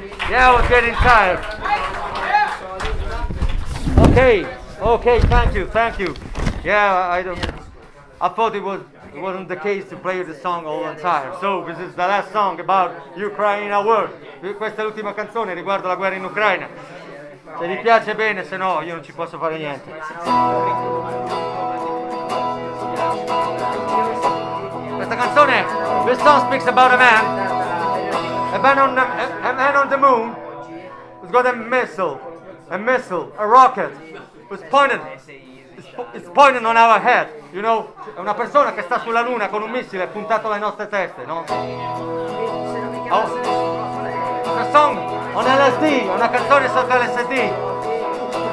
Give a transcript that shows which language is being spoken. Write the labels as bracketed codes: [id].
[en] Yeah, we're getting tired. Okay. Okay, thank you. Yeah, I thought it wasn't the case to play the song all the time. So this is the last song about Ukraine war. [it] Questa è l'ultima canzone riguardo la guerra in Ucraina. Se vi piace bene, se no io non ci posso fare niente. Questa canzone, [en] this song speaks about a man on the moon who's got a missile, a rocket. It's pointed on our head, you know? [it] È una persona che sta sulla luna con un missile puntato alle nostre teste, no? Oh. [en] A song on LSD, [it] una canzone sotto LSD.